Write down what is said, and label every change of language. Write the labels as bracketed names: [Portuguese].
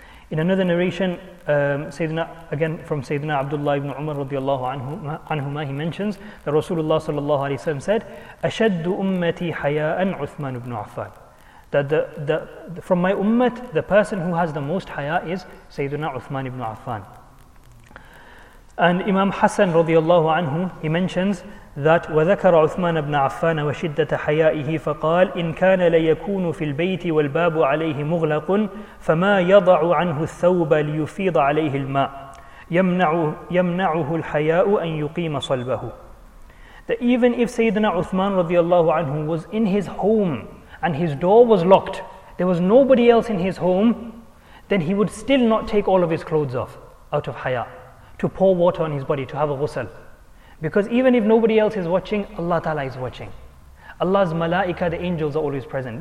[English] In another narration, Sayyidina, again from Sayyidina Abdullah ibn Umar radiallahu anhuma, he mentions that Rasulullah sallallahu alayhi wa sallam said, [Arabic] أَشَدُّ أُمَّتِي حَيَاءً [English] Uthman ibn Affan. That the from my ummah, the person who has the most haya is Sayyidina Uthman ibn Affan. And Imam Hassan radiallahu anhu, he mentions that [Arabic] وذكر عثمان بن عفان وشدة حيائه فقال إن كان ليكون في البيت والباب عليه مغلق فما يضع عنه الثوب ليفيض عليه الماء يمنعه الحياء أن يقيم صلبه. [English] That even if Sayyidina Uthman radiallahu anhu was in his home and his door was locked, there was nobody else in his home, then he would still not take all of his clothes off out of haya to pour water on his body, to have a ghusl. Because even if nobody else is watching, Allah Ta'ala is watching. Allah's malaika, the angels, are always present.